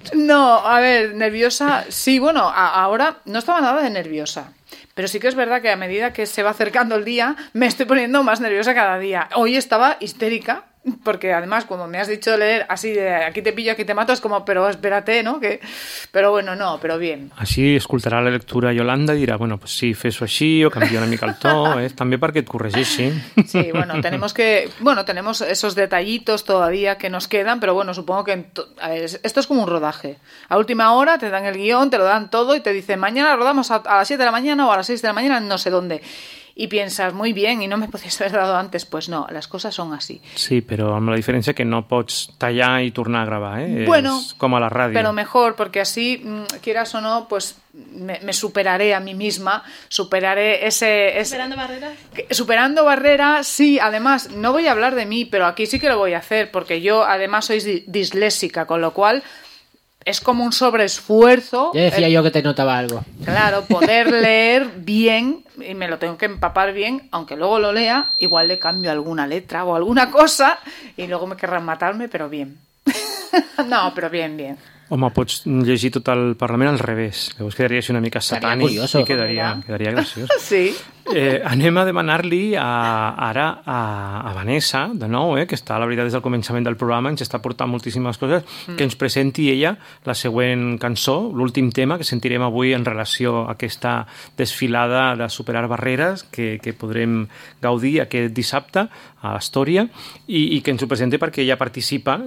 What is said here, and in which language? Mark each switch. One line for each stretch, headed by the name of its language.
Spanish: No, a ver, nerviosa. Sí, bueno, ahora no estaba nada de nerviosa. Pero sí que es verdad que a medida que se va acercando el día, me estoy poniendo más nerviosa cada día. Hoy estaba histérica, porque además cuando me has dicho leer así de aquí te pillo, aquí te mato, es como, pero espérate, ¿no? Que... Pero bueno, no, pero bien.
Catalan: Així escoltarà la lectura Yolanda i dirà, bueno, pues sí, fes-ho així o canvia una mica el to, ¿eh? També perquè et corregeixi.
Spanish: Sí, bueno, tenemos esos detallitos todavía que nos quedan, pero bueno, supongo que a ver, esto es como un rodaje. A última hora te dan el guión, te lo dan todo y te dicen, mañana rodamos a las 7 de la mañana o a las 6 de la mañana, no sé dónde. Y piensas, muy bien, y no me podías haber dado antes. Pues no, las cosas son así.
Catalan: Sí, pero amb la diferencia que no pots tallar y tornar a grabar, ¿eh?
Spanish: Bueno, es como a la radio. Pero mejor, porque así, quieras o no, pues me superaré a mí misma, superaré ese... ¿Superando barreras? Superando barreras, sí. Además, no voy a hablar de mí, pero aquí sí que lo voy a hacer, porque yo además soy disléxica, con lo cual... Es como un sobreesfuerzo. Ya decía yo que te notaba algo. Claro, poder leer bien, y me lo tengo que empapar bien, aunque luego lo lea, igual le cambio alguna letra o alguna cosa, y luego me querrán matarme, pero bien. No, pero bien, bien.
Catalan: Home, pots llegir tot el Parlament al revés. Llavors quedaria així una mica satànic.
Spanish: Seria curioso.
Catalan: I quedaria graciós. Sí. Anem a demanar-li ara a Vanessa, de nou, que està, la veritat, des del començament del programa, ens està portant moltíssimes coses, que ens presenti ella la següent cançó, l'últim tema que sentirem avui en relació a aquesta desfilada de superar barreres que podrem gaudir aquest dissabte a l'Astoria, i que ens ho presenti perquè ella participa.